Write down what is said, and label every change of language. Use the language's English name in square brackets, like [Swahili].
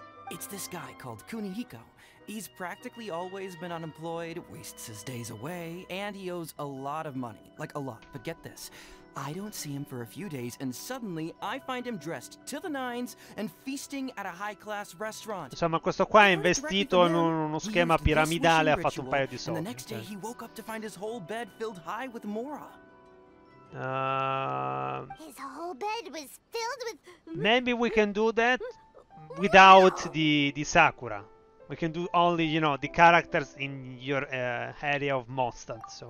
[English] It's this guy called Kunihiko. He's practically always been unemployed, wastes his days away, and he owes a lot of money. Like, a lot. But get this. I don't see him for a few days, and suddenly I find him dressed to the nines and feasting at a high-class restaurant. [Italian] Insomma, questo qua è investito in uno schema piramidale, ha fatto un paio di soldi. [English] And the next day he woke up to find his whole bed filled high with Mora. His whole bed was filled with... Maybe we can do that without the Sakura. We can do only, you know, the characters in your area of Mostad, so...